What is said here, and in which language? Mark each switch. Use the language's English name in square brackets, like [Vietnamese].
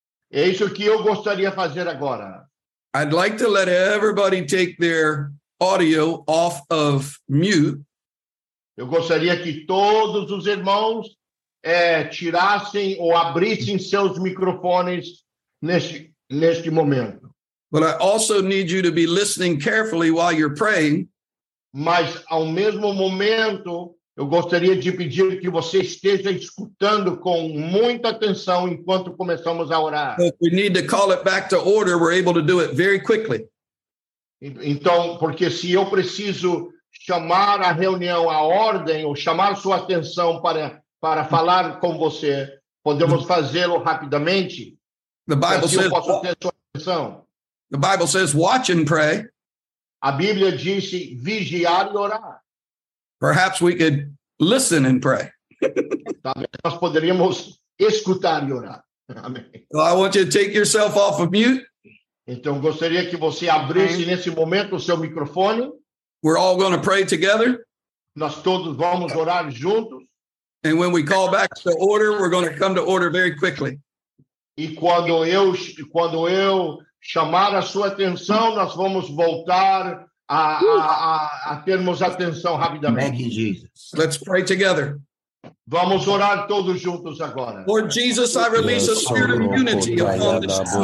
[Portuguese] É isso que eu gostaria de fazer agora. [English] I'd like to let everybody take their audio off of mute. [Portuguese] Eu gostaria que todos os irmãos tirassem ou abrissem seus microfones neste momento. [English] But I also need you to be listening carefully while you're praying. [Portuguese] Mas ao mesmo momento, eu gostaria de pedir que você esteja escutando com muita atenção enquanto começamos a orar. [English] If we need to call it back to order, we're able to do it very quickly. [Portuguese] Então, porque se eu preciso chamar a reunião à ordem ou chamar sua atenção para falar com você, podemos fazê-lo rapidamente. [English] The Bible [Portuguese] assim [English] says, [Portuguese] posso ter sua atenção. [English] The Bible says, watch and pray. [Portuguese] A Bíblia disse vigiar e orar. [English] Perhaps we could listen and pray. [Portuguese] Talvez nós poderíamos escutar e orar. Amém. [English] Well, I want you to take yourself off of mute. [Portuguese] Então gostaria que você abrisse nesse momento o seu microfone. [English] We're all going to pray together. [Portuguese] Nós todos vamos orar juntos. [English] And when we call back to order, we're going to come to order very quickly. [Portuguese] E quando eu chamar a sua atenção, nós vamos voltar a termos atenção rapidamente. [English] Thank you, Jesus. Let's pray together. [Portuguese] Vamos orar todos juntos agora. [English] Lord Jesus, I release a spirit of unity upon this time.